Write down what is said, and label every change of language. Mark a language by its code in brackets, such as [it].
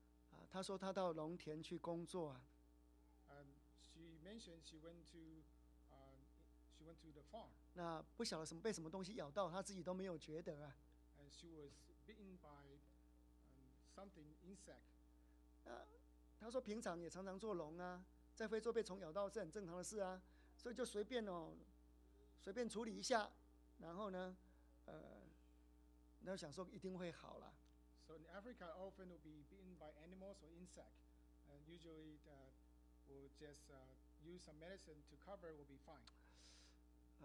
[zh] 啊，她说她到农田去工作啊。 [en] She mentioned she went to the farm. [zh] 那不晓得什么被什么东西咬到，她自己都没有觉得啊。 [en] And she was bitten by something insect. [zh] 那她说平常也常常做农啊，在非洲被虫咬到是很正常的事啊，所以就随便哦，随便处理一下，然后呢？那想说一定会好了。 [en] So in Africa, often will be bitten by animals or insects, and usually will just use some medicine to cover, will be fine.